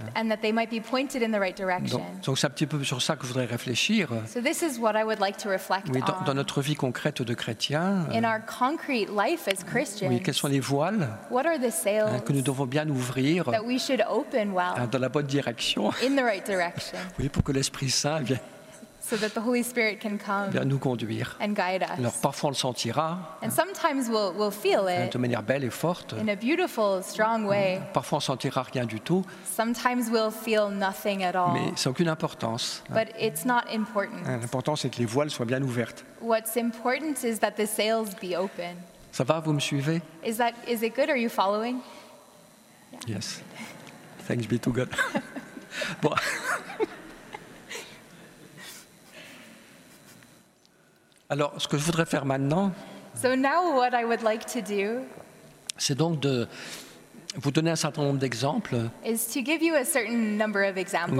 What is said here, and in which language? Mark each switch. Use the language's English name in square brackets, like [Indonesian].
[English] and that they might be pointed in the right direction. [French] Donc c'est un petit peu sur ça que je voudrais réfléchir. [English] So this is what I would like to reflect [French] on. Dans notre vie concrète de chrétien, [English] in our concrete life as Christians, [French] quelles sont les voiles, [English] what are the sails, [French] que nous devons bien ouvrir, [English] that we should open well, [French] dans la bonne direction, [English] in the right direction. [French] Oui, pour que l'Esprit Saint vienne. [English] So that the Holy Spirit can come [French] nous conduire [English] and guide us. [French] Alors, parfois on le sentira, [English] and sometimes we'll feel it [French] de manière belle et forte, [English] in a beautiful, strong way. [French] Parfois on sentira rien du tout, [English] sometimes we'll feel nothing at all. [French] Mais c'est aucune importance. [English] But it's not important. [French] L'important, c'est que les voiles soient bien ouvertes. [English] What's important is that the sails be open. [French] Ça va, vous me suivez? [English] Is it good? Are you following? Yeah. Yes. Thanks be to God. Bon. [French] Alors, ce que je voudrais faire maintenant, [English] so now what I would like to do, [French] c'est donc de vous donner un certain nombre d'exemples, [English] is to give you a certain number of examples,